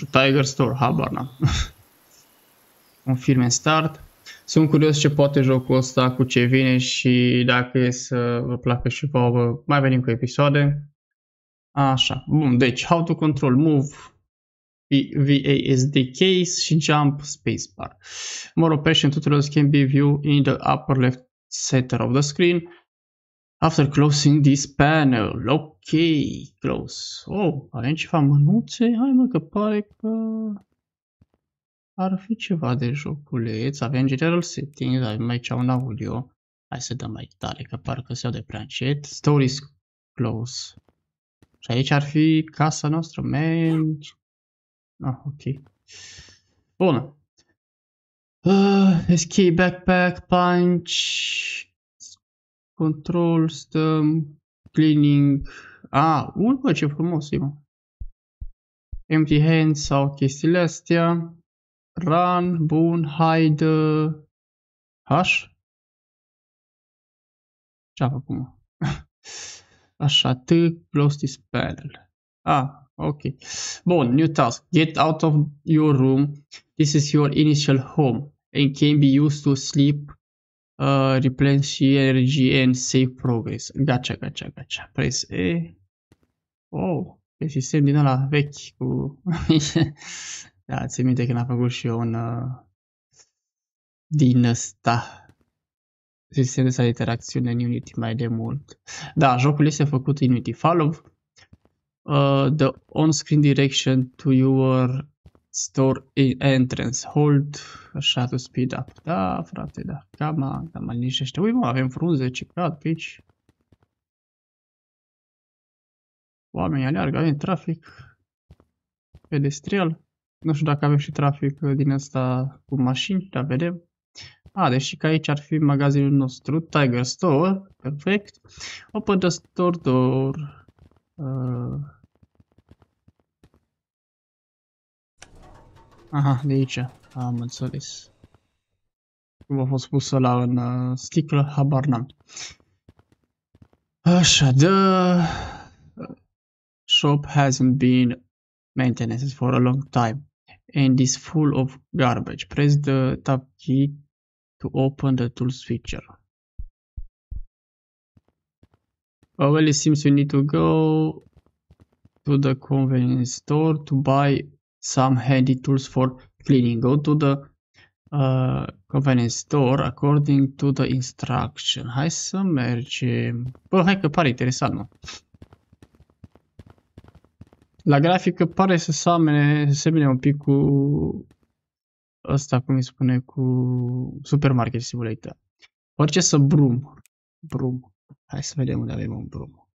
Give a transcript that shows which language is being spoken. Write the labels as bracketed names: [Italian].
[English] Tiger Store, [Romanian] habar n-am. [English] Confirm and start. [Romanian] Sunt curios ce poate jocul ăsta, cu ce vine și dacă e să vă placă și vouă. Mai venim cu episoade. Așa, bun, deci [English] how to control move. [Romanian] VASD case și jump spacebar. [English] More operation tutorials can be viewed in the upper left center of the screen after closing this panel. Ok, close. [Romanian] Oh, avem ceva mânuțe? Hai mă că pare că ar fi ceva de joculeț. Avem general settings, avem aici un audio. Hai să dăm mai tare că parcă se aude prea încet. [English] Stories close. [Romanian] Și aici ar fi casa noastră, man. [English] Ah, ok. Bun. Escape, backpack, punch, control, stem, cleaning. [Romanian] Ah, urmă, ce frumos e, mă. [English] Empty hands [Romanian] sau chestiile astea. [English] Run, bun, hide, hash. [Romanian] Ce-a făcut, mă? Așa, [English] close this panel. [Romanian] Ah. Ok. Bun, new task. [English] Get out of your room. This is your initial home and can be used to sleep, replenish energy and save progress. Gotcha. Press E. [Romanian] Oh, pe sistem din ăla vechi cu... Da, țin minte că n-am făcut și eu un... din ăsta. Sistem de sa interacțiune în Unity mai de mult. Da, jocul este făcut în Unity. [English] Follow. The on-screen direction to your store entrance. Hold, așa, to speed up. [Romanian] Da, frate, da. Cam liniștește. Ui, mă, avem frunze, ce cad pe aici. Oamenii aleargă, avem trafic pedestrial. Nu știu dacă avem și trafic din ăsta cu mașini, dar vedem. A, deși că aici ar fi magazinul nostru, Tiger Store. [English] Perfect. Open the store door. [Romanian] Aha, de aici. Am înțeles. Cum a fost pus ăla în sticlă, habar n-am. [English] Așa, the shop hasn't been maintained for a long time and is full of garbage. Press the tab key to open the tools feature. Well, it seems you need to go to the convenience store to buy some handy tools for cleaning. Go to the convenience store according to the instruction. [Romanian] Hai să mergem. Bă, hai că pare interesant, mă. La grafică pare să semene un pic cu ăsta, cum îi spune, cu Supermarket Simulator. Orice să brum. Brum. Hai să vedem unde avem un brum.